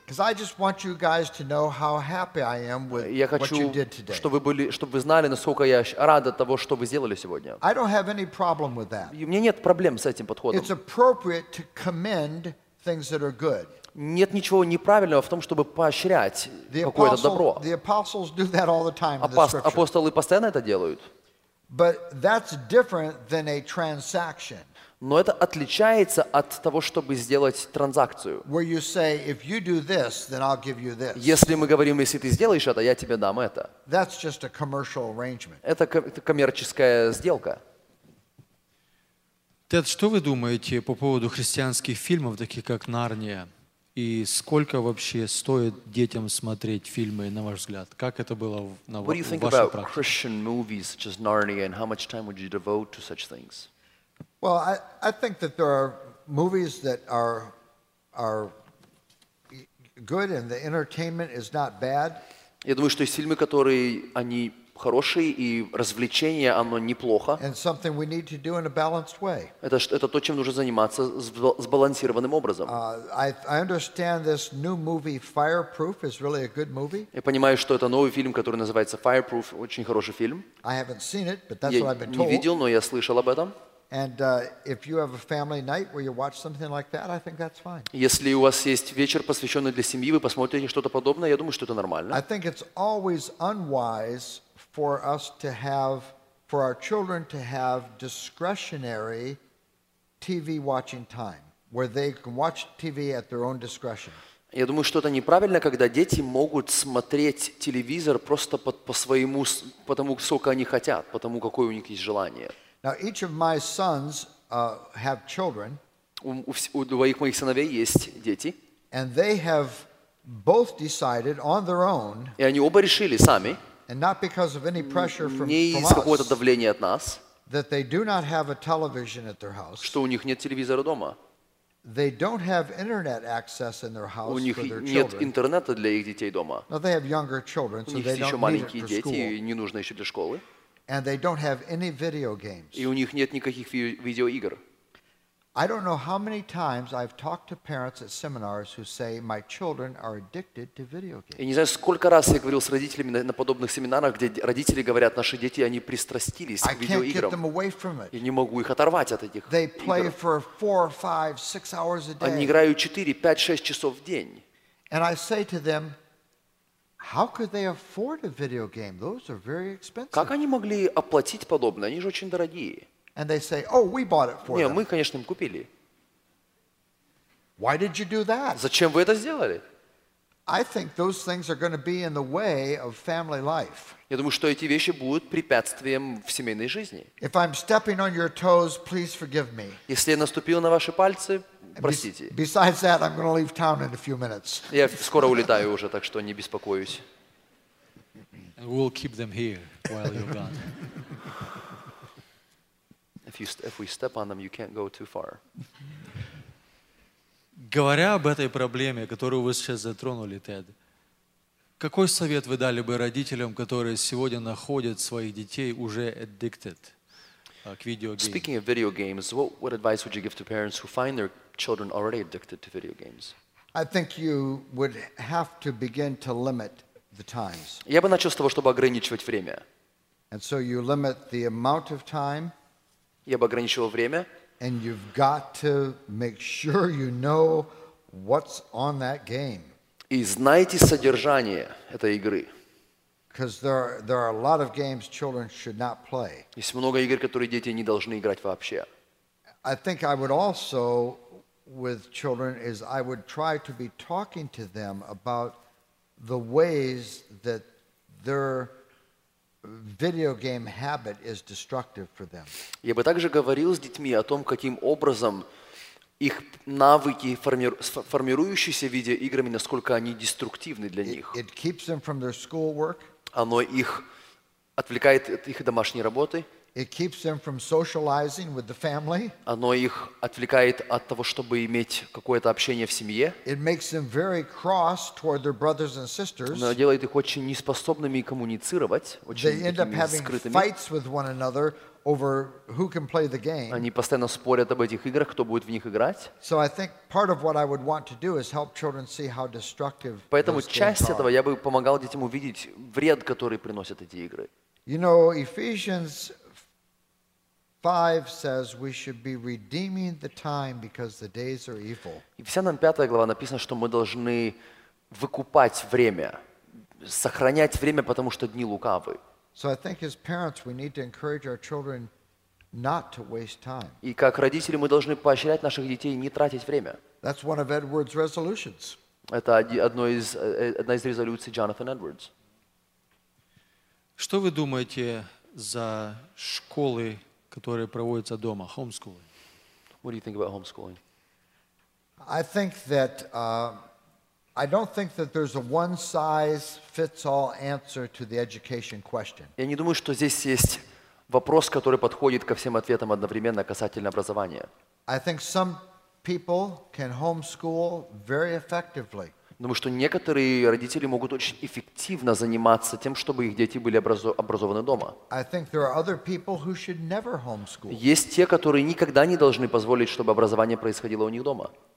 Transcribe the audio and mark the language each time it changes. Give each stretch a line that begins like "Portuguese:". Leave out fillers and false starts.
English: Because I just want you guys to know how happy I am with what you did today.
Russian: Я хочу, чтобы вы знали, насколько я рад от того, что вы сделали сегодня.
English: I don't have any problem with that.
Russian: У меня нет проблем с этим подходом.
English: It's appropriate to commend things that are good.
Russian: Нет ничего неправильного в том, чтобы поощрять какое-то добро.
English: The apostles do that all the time in the scripture.
Russian: Апостолы постоянно это делают.
English: But that's different than a transaction.
Russian: Но это отличается от того, чтобы сделать транзакцию. Say, this, если мы говорим, если ты сделаешь это, я тебе дам это. Это коммерческая сделка. Тед, что вы думаете по поводу христианских фильмов, таких как «Нарния»? И сколько вообще стоит детям смотреть фильмы, на ваш взгляд? Как это было на вашей практике?
English: Well, I think that there are movies that are good, and the entertainment is not bad.
Russian: Я думаю, что есть фильмы, которые они хорошие, и развлечение оно неплохо.
English: And something we need to do in a balanced way.
Russian: Это то, чем нужно заниматься сбалансированным образом.
English: I understand this new movie Fireproof is really a good movie.
Russian: Я понимаю, что это новый фильм, который называется Fireproof, очень хороший фильм.
English: I haven't seen it, but that's what I've been told.
Russian: Я не видел, но я слышал об этом.
English: And if you have a family night where you watch something like that, I think that's fine.
Russian: Если у вас есть вечер, посвященный для семьи, вы посмотрите что-то подобное, я думаю, что это нормально.
English: I think it's always unwise for us to have, for our children to have discretionary TV watching time, where they can watch TV at their own discretion.
Russian: Я думаю, что это неправильно, когда дети могут смотреть телевизор просто по тому, сколько они хотят, потому какое у них есть желание.
English: Now each of my sons have children.
Russian: У двоих моих сыновей есть дети.
English: And they have both decided on their own.
Russian: И они оба решили сами.
English: And not because of any pressure from us.
Russian: Не из какого-то давления от нас.
English: That they do not have a television at their house.
Russian: Что у них нет телевизора дома.
English: They don't have internet access in their house for their children.
Russian: У них нет интернета для их детей дома.
English: Now they have younger children, so they don't need it for school.
Russian: Дети, не нужно еще для школы.
English: And they don't have any video games.
Russian: И у них нет никаких видеоигр.
English: I don't know how many times I've talked to parents at seminars who say my children are addicted to video games.
Russian: Я не знаю, сколько раз я говорил с родителями на подобных семинарах, где родители говорят, наши дети, они пристрастились к видеоиграм.
English: I can't get them away from it.
Russian: Я не могу их оторвать от этих игр.
English: They play for 4, 5, 6 hours a day.
Russian: Они играют 4, 5, 6 часов в день.
English: And I say to them, how could they afford a video game? Those are very expensive.
Russian: Как они могли оплатить подобное? Они же очень дорогие.
English: And they say, "Oh, we bought it for them."
Russian: Не, мы, конечно, им купили.
English: Why did you do that?
Russian: Зачем вы это сделали?
English: I think those things are going to be in the way of family life.
Russian: Я думаю, что эти вещи будут препятствием в семейной жизни.
English: If I'm stepping on your toes, please forgive me.
Russian: Если я наступил на ваши пальцы, простите.
English: Besides that, I'm going to leave town in a few minutes.
Russian: Я скоро улетаю уже, так что не беспокоюсь.
English: And we'll keep them here while you're gone. If we step on them, you can't go too far.
Russian: Говоря об этой проблеме, которую вы сейчас затронули, Тед, какой совет вы дали бы родителям, которые сегодня находят своих детей уже addicted к видеоиграм?
English: Speaking of video games, what advice would you give to parents who find their children already addicted to video games? I think you would have to begin to limit the times.
Russian: Я бы начал с того, чтобы ограничивать время.
English: And so you limit the amount of time.
Russian: Я бы ограничивал время.
English: And you've got to make sure you know what's on that game.
Russian: И знайте содержание этой игры.
English: Because there are a lot of games children should not play.
Russian: Есть много игр, которые дети не должны играть вообще.
English: I think I would also, with children, is I would try to be talking to them about the ways that they're video game habit is destructive for them.
Russian: Я бы также говорил с детьми о том, каким образом их навыки, формирующиеся видеоиграми, насколько они деструктивны для них.
English: It keeps them from their schoolwork.
Russian: Оно их отвлекает от их домашней работы.
English: It keeps them from socializing with the family.
Russian: Оно их отвлекает от того, чтобы иметь какое-то общение в семье.
English: It makes them very cross toward their brothers and sisters.
Russian: Оно делает их очень неспособными коммуницировать, очень такими скрытыми.
English: They end up having fights with one another over who can play the game.
Russian: Они постоянно спорят об этих играх, кто будет в них играть.
English: So I think part of what I would want to do is help children see how destructive.
Russian: Поэтому часть этого я бы помогал детям увидеть вред, который приносят эти игры.
English: You know, Ephesians 5 says we should be redeeming the time because the days are evil.
Russian: Ефесянам 5 глава написано, что мы должны выкупать время, сохранять время, потому что дни лукавы.
English: So I think as parents we need to encourage our children not to waste time.
Russian: И как родители мы должны поощрять наших детей не тратить время.
English: That's one of Edwards' resolutions.
Russian: Это одна из резолюций Джонатана Эдвардс. Что вы думаете за школы, которые проводятся дома, homeschooling?
English: What do you think about homeschooling? I think that I don't think that there's a one size fits all answer to the education question.
Russian: Я не думаю, что здесь есть вопрос, который подходит ко всем ответам одновременно касательно образования.
English: I think some people can homeschool very effectively.
Russian: Думаю, что некоторые родители могут очень эффективно заниматься тем, чтобы их дети были образованы дома. Есть те, которые никогда не должны позволить, чтобы образование происходило у них дома.